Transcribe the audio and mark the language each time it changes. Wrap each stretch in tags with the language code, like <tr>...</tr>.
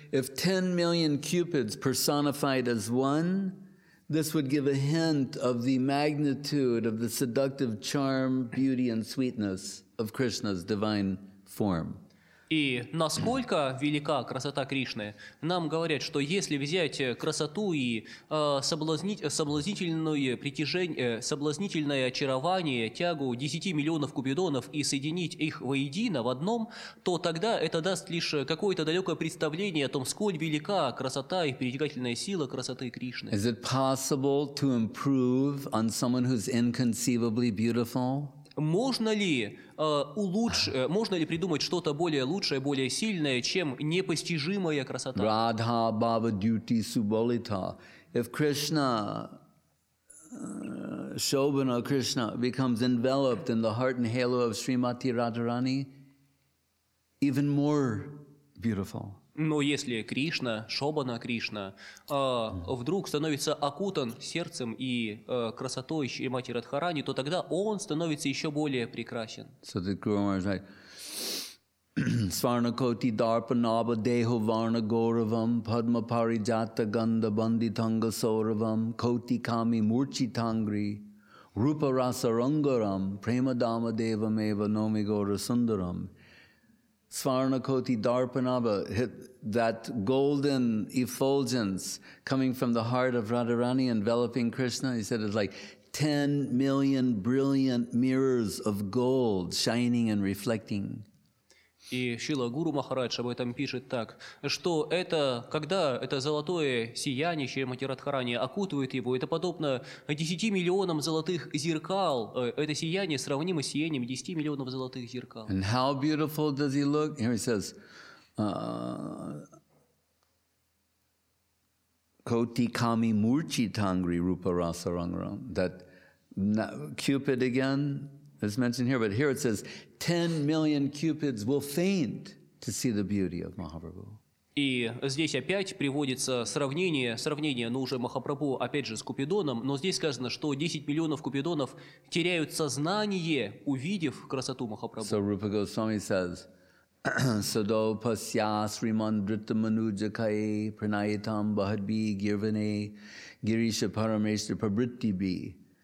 <en>If 10 million Cupids personified as one, this would give a hint of the magnitude of the seductive charm, beauty, and sweetness of Krishna's divine form.</en> <ru>И насколько велика красота Кришны, нам говорят, что если взять красоту и соблазнительное очарование, тягу 10 миллионов купидонов и соединить их воедино в одном, то тогда это даст лишь какое-то далекое представление о том, сколь велика красота и притягательная сила красоты Кришны.</ru> <en>Is it possible to improve on someone who's inconceivably beautiful?</en> <ru>Можно ли можно ли придумать что-то более лучшее, более сильное, чем непостижимая красота?</ru> <sa>Radha Bhava Duti Subalita.</sa> <en>If Krishna, Shobhana Krishna becomes enveloped in the heart and halo of Srimati Radharani, even more beautiful.</en> <ru>Но если Кришна, Шобана Кришна, вдруг становится окутан сердцем и красотой Шримати Радхарани, то тогда он становится еще более прекрасен.</ru> <en>So the Guru Maharaj said,</en> <sa>Сварнакоти дарпанаба дехо варна горавам, падма парижата ганда банди танга соравам, коти ками мурчи тангри, рупа раса рангарам, према дама девам ева номи гора сундарам.</sa> <en>Svarnakoti Dharpanaba, that golden effulgence coming from the heart of Radharani enveloping Krishna, he said it's like 10 million brilliant mirrors of gold shining and reflecting.</en> <ru>И Шрила Гуру Махарадж об этом пишет так, что это, когда это золотое сияние Шримати Радхарани окутывает его, это подобно 10 миллионам золотых зеркал. Это сияние сравнимо с сиянием 10 миллионов золотых зеркал.</ru> <en>And how beautiful does he look? Here he says,</en> <sa>Koti Kami Murchi Tangri Rupa Rasa Rangram.</sa> <en>That Cupid again. It's mentioned here, but here it says 10 million cupids will faint to see the beauty of Mahaprabhu.</en> <ru>И здесь опять приводится сравнение, но уже Махапрабху опять же с Купидоном, но здесь сказано, что 10 миллионов купидонов теряют сознание, увидев красоту Махапрабху.</ru> <en>So Rupa Goswami says,</en> <sa>Sado pasya srimandrita manujakai pranayatam bahadbi girvane girisha parameshtra pabritti bi.</sa>